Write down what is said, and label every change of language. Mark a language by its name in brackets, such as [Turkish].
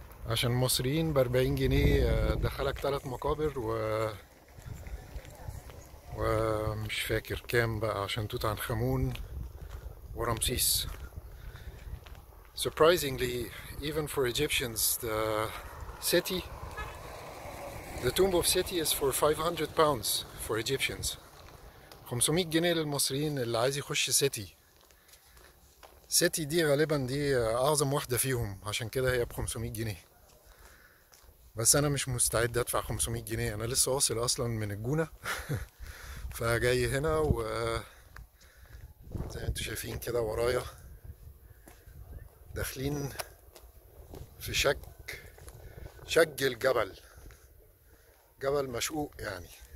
[Arabic] عشان مصريين ب 40 جنيه دخلك ثلاث مقابر ومش فاكر كام بقى عشان توت عنخ آمون ورمسيس. [English] Surprisingly, even for Egyptians, the city, the tomb of Seti is for 500 pounds for Egyptians. [Arabic] 500 جنيه للمصريين اللي عايز يخش سيتي. سيتي دي غالبا دي اعظم واحده فيهم عشان كده هي ب 500 جنيه. بس انا مش مستعد ادفع 500 جنيه، انا لسه واصل اصلا من الجونه فجاي هنا و زي ما انتم شايفين كده ورايا داخلين في شق الجبل، جبل مشقوق يعني.